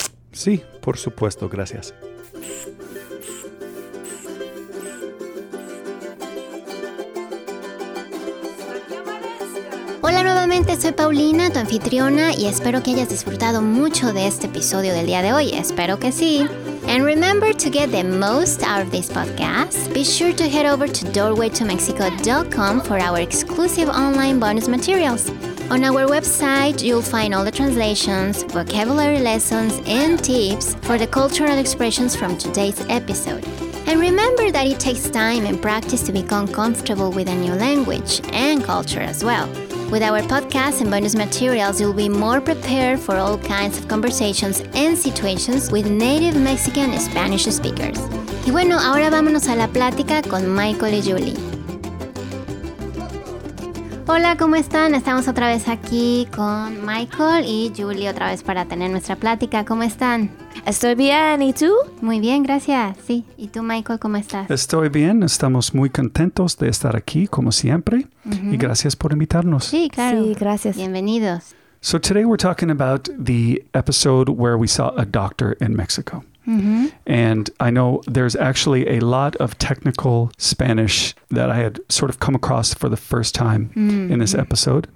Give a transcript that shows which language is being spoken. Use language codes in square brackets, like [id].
[es] Sí, por supuesto, gracias. Hola nuevamente, soy Paulina, tu anfitriona, y espero que hayas disfrutado mucho de este episodio del día de hoy. Espero que sí. [en] And remember, to get the most out of this podcast, be sure to head over to doorwaytomexico.com for our exclusive online bonus materials. On our website, you'll find all the translations, vocabulary lessons, and tips for the cultural expressions from today's episode. And remember that it takes time and practice to become comfortable with a new language and culture as well. With our podcast and bonus materials, you'll be more prepared for all kinds of conversations and situations with native Mexican Spanish speakers. [es] Y bueno, ahora vámonos a la plática con Michael y Julie. Hola, ¿cómo están? Estamos otra vez aquí con Michael y Julie otra vez para tener nuestra plática. ¿Cómo están? Estoy bien, ¿y tú? Muy bien, gracias. Sí, ¿y tú, Michael, cómo estás? Estoy bien, estamos muy contentos de estar aquí, como siempre. Uh-huh. Y gracias por invitarnos. Sí, claro. Sí, gracias. Bienvenidos. [en] So today we're talking about the episode where we saw a doctor in Mexico. Mm-hmm. And I know there's actually a lot of technical Spanish that I had sort of come across for the first time mm-hmm. in this episode.